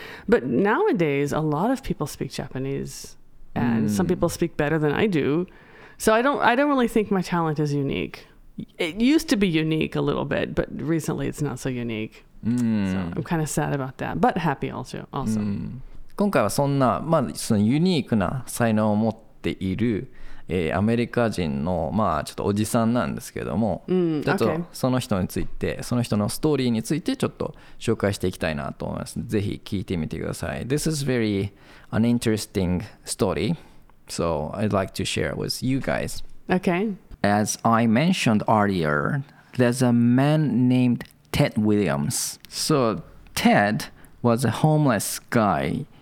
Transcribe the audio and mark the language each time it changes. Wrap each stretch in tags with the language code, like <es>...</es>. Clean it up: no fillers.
<en>But nowadays, a lot of people speak Japanese and some people speak better than I do. So I don't really think my talent is unique. It used to be unique a little bit, but recently it's not so unique. So I'm kind of sad about that, but happy also. Mm.</en> <ja>今回はそんな、まあ、そのユニークな才能を持っている、アメリカ人の、まあ、ちょっとおじさんなんですけども、ちょっとその人についてその人のストーリーについてちょっと紹介していきたいなと思います。ぜひ聞いてみてください。</ja> <en>This is very an interesting story, so I'd like to share with you guys. Okay. As I mentioned earlier, there's a man named Ted Williams. So Ted was a homeless guy.</en>